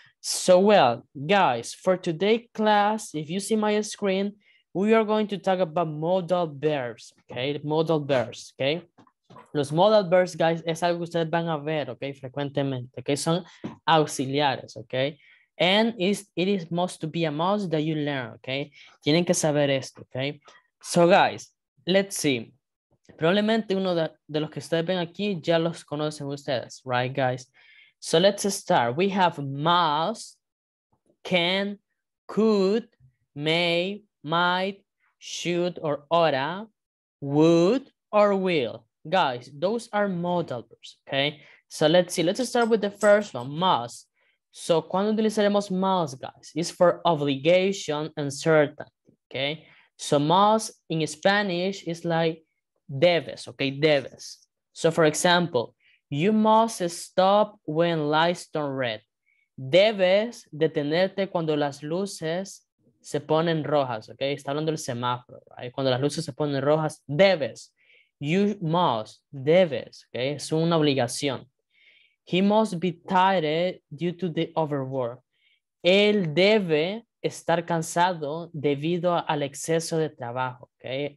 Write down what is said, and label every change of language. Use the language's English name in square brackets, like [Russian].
[English] So, well, guys, for today's class, if you see my screen, we are going to talk about modal verbs, okay? [Spanish] Modal verbs, okay? Los modal verbs, guys, es algo que ustedes van a ver, okay? Frecuentemente, okay? Son auxiliares, okay? [English] And it is must to be a must that you learn, okay? [Spanish] Tienen que saber esto, okay? [English] So, guys, let's see. [Spanish] Probablemente uno de los que ustedes ven aquí ya los conocen ustedes, [English] right, guys? So let's start. We have must, can, could, may, might, should, or oughta, would, or will. Guys, those are modal verbs, okay? So let's see. Let's start with the first one, must. So [Spanish] cuando utilizaremos [English] must, guys? It's for obligation and certainty, okay? So must in Spanish is like debes, okay, debes. So for example, you must stop when lights turn red. [Spanish] Debes detenerte cuando las luces se ponen rojas, okay? Está hablando del semáforo, right? Cuando las luces se ponen rojas, debes. [English] You must, [Spanish] debes, okay? Es una obligación. [English] He must be tired due to the overwork. [Spanish] Él debe estar cansado debido al exceso de trabajo, okay?